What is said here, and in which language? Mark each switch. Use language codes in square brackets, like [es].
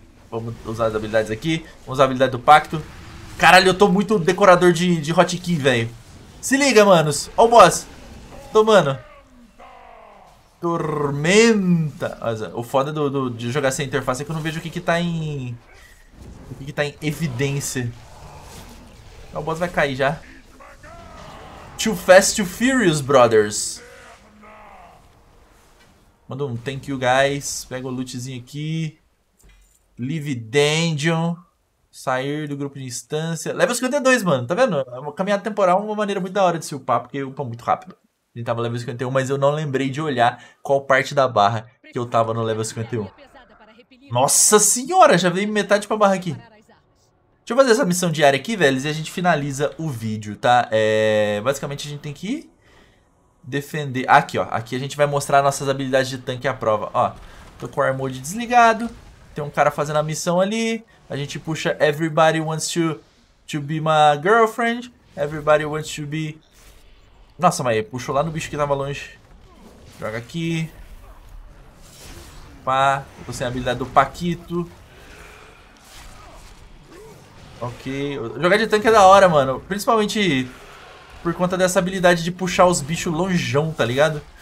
[pt] Vamos usar as habilidades aqui. Vamos usar a habilidade do pacto. Caralho, eu tô muito decorador de hotkey, velho. Se liga, manos. Ó o boss. Tomando. Tormenta. O foda de jogar sem interface é que eu não vejo o que que tá em. O que que tá em evidência. O boss vai cair já. [en] Too fast, too furious, brothers. [pt] Manda um [en] thank you, guys. [pt] Pega o lootzinho aqui. [en] Leave Dungeon. [pt] Sair do grupo de instância. Level 52, mano. Tá vendo? É uma caminhada temporal, uma maneira muito da hora de se upar, porque upa muito rápido. Ele tava level 51, mas eu não lembrei de olhar qual parte da barra que eu tava no level 51. Nossa senhora, já veio metade pra barra aqui. Deixa eu fazer essa missão diária aqui, velho, e a gente finaliza o vídeo, tá? Basicamente a gente tem que defender. Aqui, ó. Aqui a gente vai mostrar nossas habilidades de tanque à prova. Ó, tô com o armor desligado. Tem um cara fazendo a missão ali. A gente puxa [en] Everybody wants to be my girlfriend. Everybody wants to be. [pt] Nossa, mas puxou lá no bicho que tava longe. Joga aqui. Pá. Eu tô sem a habilidade do Paquito. Ok. Jogar de tanque é da hora, mano. Principalmente por conta dessa habilidade de puxar os bichos longeão, tá ligado?